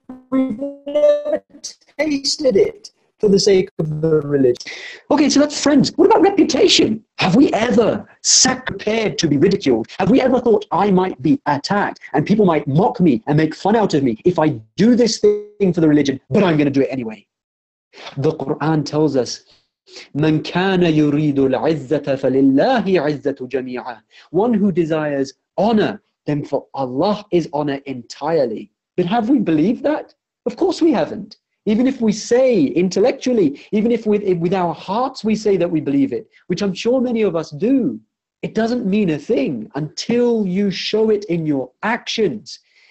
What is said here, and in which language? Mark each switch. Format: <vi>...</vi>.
<en>We've never tasted it for the sake of the religion. Okay, so that's friends. What about reputation? Have we ever prepared to be ridiculed? Have we ever thought I might be attacked and people might mock me and make fun out of me if I do this thing for the religion, but I'm going to do it anyway? The Quran tells us,</en> <ar>مَنْ كَانَ يُرِيدُ الْعِزَّةَ فَلِلَّهِ عِزَّةُ جَمِيعًا.</ar> <en>One who desires honor, then for Allah is honor entirely. But have we believed that? Of course we haven't. Even if we say intellectually, even if with our hearts we say that we believe it, which I'm sure many of us do, it doesn't mean a thing until you show it in your actions.</en>